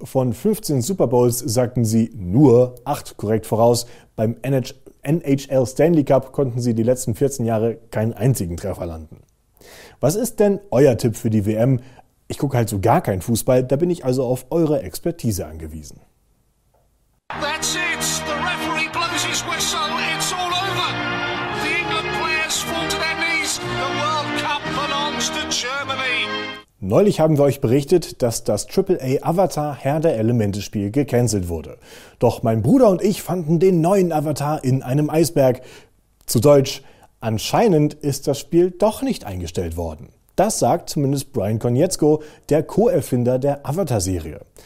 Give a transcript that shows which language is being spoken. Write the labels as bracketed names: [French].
[German] Von 15 Super Bowls sagten sie nur 8 korrekt voraus, beim NHL Stanley Cup konnten sie die letzten 14 Jahre keinen einzigen Treffer landen. Was ist denn euer Tipp für die WM? Ich gucke halt so gar keinen Fußball, da bin ich also auf eure Expertise angewiesen. [English] That's it. The referee blows his whistle. It's all over. The England players fall to their knees. The World Cup belongs to Germany. [German] Neulich haben wir euch berichtet, dass das AAA Avatar Herr der Elemente Spiel gecancelt wurde. Doch mein Bruder und ich fanden den neuen Avatar in einem Eisberg. Zu Deutsch, anscheinend ist das Spiel doch nicht eingestellt worden. Das sagt zumindest Brian Konietzko, der Co-Erfinder der Avatar-Serie.